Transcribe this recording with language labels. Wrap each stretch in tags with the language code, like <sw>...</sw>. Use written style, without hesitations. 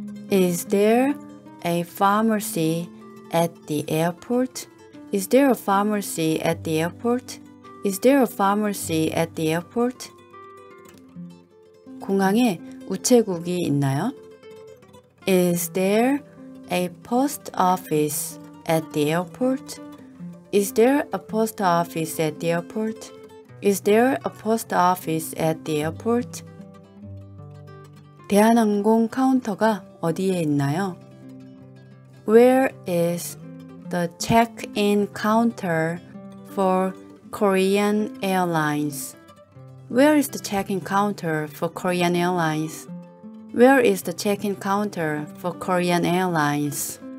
<en>Is there a pharmacy at the airport? Is there a pharmacy at the airport? Is there a pharmacy at the airport?</en> <ko>공항에 우체국이 있나요?</ko> <en>Is there a post office at the airport? Is there a post office at the airport? Is there a post office at the airport?</en> <ko>대한항공 카운터가 어디에 있나요?</ko> <en>Where is the check-in counter for Korean Airlines? Where is the check-in counter for Korean Airlines? Where is the check-in counter for Korean Airlines?</en>